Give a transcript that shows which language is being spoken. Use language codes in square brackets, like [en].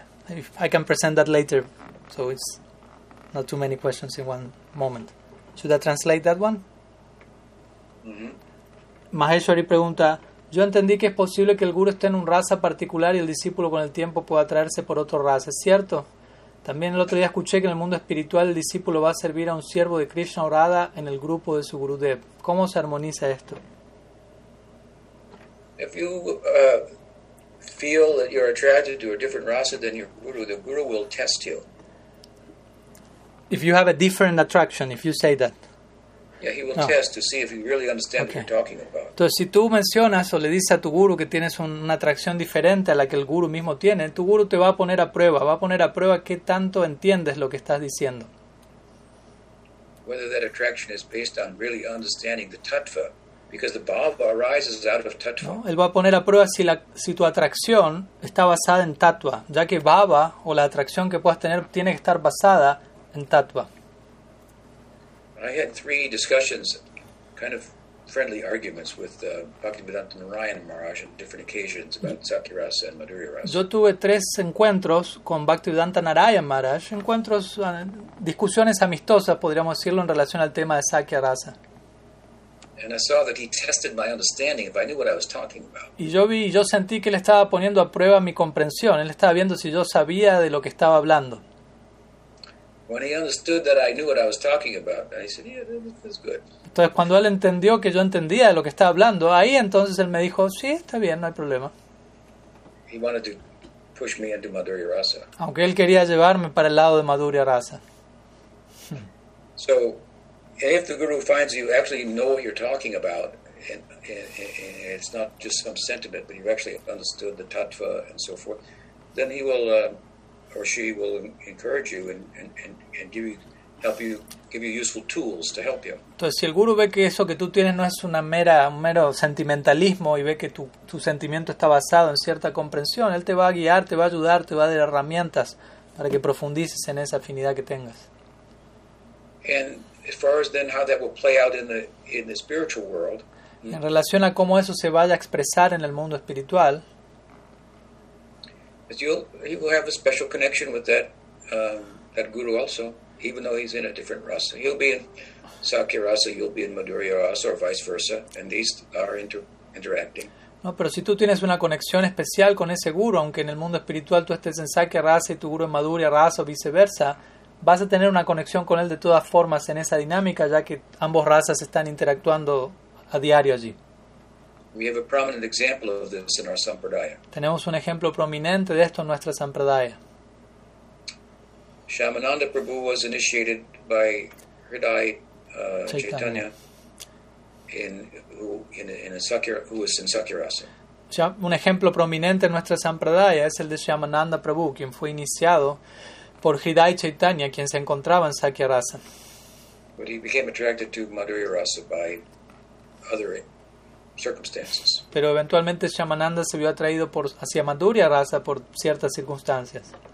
[en] If I can present that later, so it's not too many questions in one moment. Should I translate that one? Mm-hmm. [es] Maheshwari pregunta, yo entendí que es posible que el guru esté en un raza particular y el discípulo con el tiempo pueda atraerse por otro raza, ¿es cierto? También el otro día escuché que en el mundo espiritual el discípulo va a servir a un siervo de Krishna o Radha en el grupo de su Gurudev. ¿Cómo se armoniza esto? [en] If you feel that you're attracted to a different rasa than your guru, the guru will test you. If you have a different attraction, if you say that. Yeah, he will test to see if you really understand what you're talking about. [es] Entonces, si tú mencionas o le dices a tu guru que tienes una atracción diferente a la que el guru mismo tiene, tu guru te va a poner a prueba, va a poner a prueba qué tanto entiendes lo que estás diciendo. [en] Whether that attraction is based on really understanding the tattva, because the bhava arises out of tattva. [es] No, él va a poner a prueba si tu atracción está basada en tattva, ya que bhava o la atracción que puedas tener tiene que estar basada en tattva. [en] I had three discussions, kind of friendly arguments with Bhaktivedanta Narayan Maharaj on different occasions about Sakya Rasa and Madhurya Rasa. [es] Yo tuve tres encuentros con Bhaktivedanta Narayan Maharaj, encuentros, discusiones amistosas, podríamos decirlo, en relación al tema de Sakya Rasa. [en] And I saw that he tested my understanding if I knew what I was talking about. [es] Y yo sentí que él estaba poniendo a prueba mi comprensión, él estaba viendo si yo sabía de lo que estaba hablando. [en] When he understood that I knew what I was talking about, I said, "Yeah, that's good." [es] Entonces, cuando él entendió que yo entendía de lo que estaba hablando, ahí entonces él me dijo, "Sí, está bien, no hay problema." [en] He wanted to push me into Madhurya Rasa. [es] Aunque él quería llevarme para el lado de Madhurya Rasa. [en] So, if the guru finds you actually know what you're talking about, and it's not just some sentiment, but you've actually understood the tattva and so forth, then he will. Or she will encourage you and give you useful tools to help you. [es] Entonces, si el guru ve que eso que tú tienes no es una mera un mero sentimentalismo y ve que tu sentimiento está basado en cierta comprensión, él te va a guiar, te va a ayudar, te va a dar herramientas para que profundices en esa afinidad que tengas. [en] And as far as then how that will play out in the spiritual world. [es] En relación a cómo eso se vaya a expresar en el mundo espiritual. [en] You will have a special connection with that guru also, even though he's in a different rasa. He'll be in Sakya rasa, you'll be in Madhurya rasa, or vice versa, and these are interacting. [es] No, pero si tú tienes una conexión especial con ese guru, aunque en el mundo espiritual tú estés en Sakya rasa y tu guru en Madhurya rasa o viceversa, vas a tener una conexión con él de todas formas en esa dinámica, ya que ambos razas están interactuando a diario allí. [en] We have a prominent example of this in our sampradaya. [es] Tenemos un ejemplo prominente de esto en nuestra sampradaya. [en] Shyamananda Prabhu was initiated by Hriday Chaitanya, who was in Sakya Rasa. [es] Un ejemplo prominente en nuestra sampradaya es el de Shyamananda Prabhu, quien fue iniciado por Hriday Chaitanya, quien se encontraba en Sakya Rasa. [en] But he became attracted to Madhurya Rasa by other circumstances. [es] Pero eventualmente Shyamananda se vio atraído hacia Madhurya Rasa por ciertas circunstancias.